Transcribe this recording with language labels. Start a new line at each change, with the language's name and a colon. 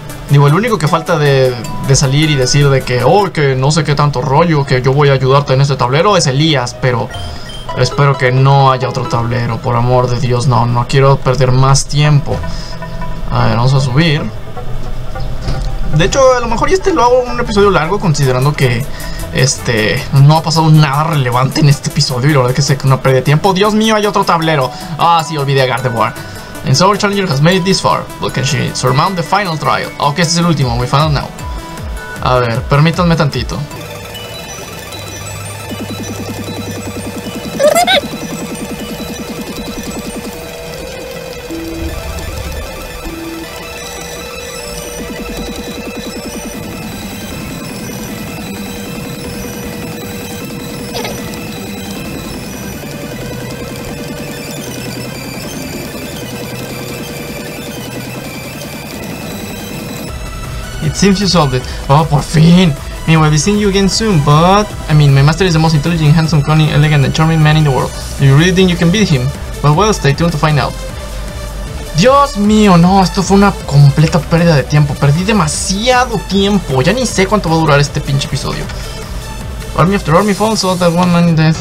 Spanish: Digo, el único que falta de salir y decir de que, oh, que no sé qué tanto rollo, que yo voy a ayudarte en este tablero, es Elías, pero espero que no haya otro tablero, por amor de Dios, no, no quiero perder más tiempo. A ver, vamos a subir. De hecho, a lo mejor este lo hago un episodio largo, considerando que no ha pasado nada relevante en este episodio y la verdad es que sé que no perde tiempo. Dios mío, hay otro tablero. Ah, sí, olvidé a Gardevoir.
English: And so our challenger has made it this far, but can she surmount the final trial?
Spanish: Ok, este es el último,
English: we found out now.
Spanish: A ver, permítanme tantito.
English: Seems you solved it. Oh,
Spanish: por fin.
English: Anyway, we'll see you again soon, but... I mean, my master is the most intelligent, handsome, cunning, elegant, and charming man in the world. Do you really think you can beat him? Well, stay tuned to find out.
Spanish: Dios mío, no. Esto fue una completa pérdida de tiempo. Perdí demasiado tiempo. Ya ni sé cuánto va a durar este pinche episodio.
English: Army after army falls, so that one man in death...